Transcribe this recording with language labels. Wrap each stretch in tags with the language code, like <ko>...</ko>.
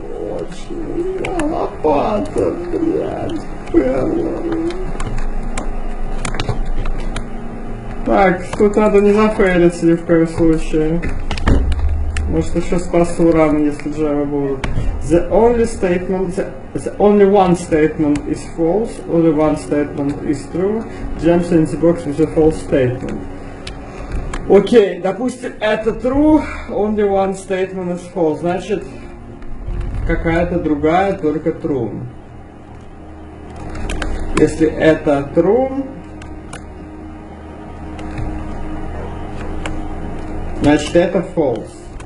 <ru>Очень нужна лопата, блять. Так, тут надо не зафейлиться ни в коем случае. Может еще спасу раму, если джавы будут.</ru> <en>The only statement, the only one statement is false, only one statement is true. Jumps in the box with a false statement.</en> <ru>Окей, допустим, это</ru> <en>true, only one statement is false.</en> <ru>Значит, какая-то другая, только true. Если это true, значит, это false.</ru>